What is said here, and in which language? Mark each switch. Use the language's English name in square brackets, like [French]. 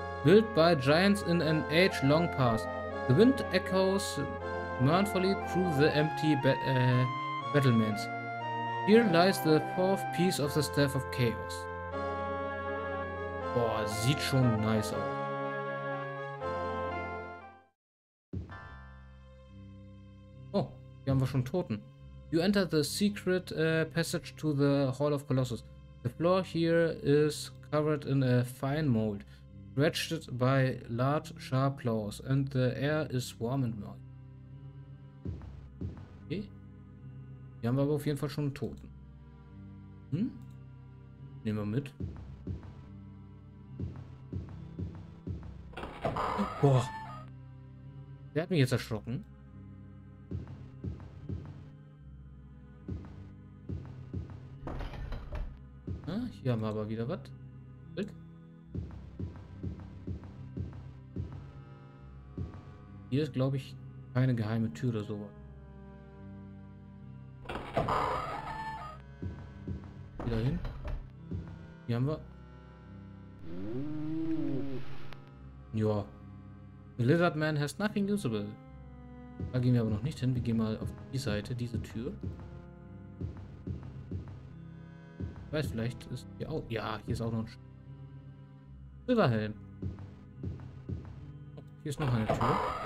[English] Built by giants in an age-long past. The wind echoes mournfully through the empty battlements. Here lies the fourth piece of the Staff of Chaos. [German] Boah, sieht schon nice aus. Oh, hier haben wir schon Toten. [English] You enter the secret passage to the Hall of Colossus. The floor here is covered in a fine mold, stretched by large sharp claws, and the air is warm and moist. Okay. [German] Hier haben wir aber auf jeden Fall schon Toten. Hm? Nehmen wir mit. Boah. Der hat mich jetzt erschrocken. Ah, hier haben wir aber wieder was. Hier ist, glaube ich, keine geheime Tür oder sowas. Wieder hin. Hier haben wir. Ja. [English] The Lizard Man has nothing usable. [German] Da gehen wir aber noch nicht hin. Wir gehen mal auf die Seite, diese Tür. Ich weiß, vielleicht ist hier auch. Ja, hier ist auch noch ein Silberhelm. Oh, hier ist noch eine Tür.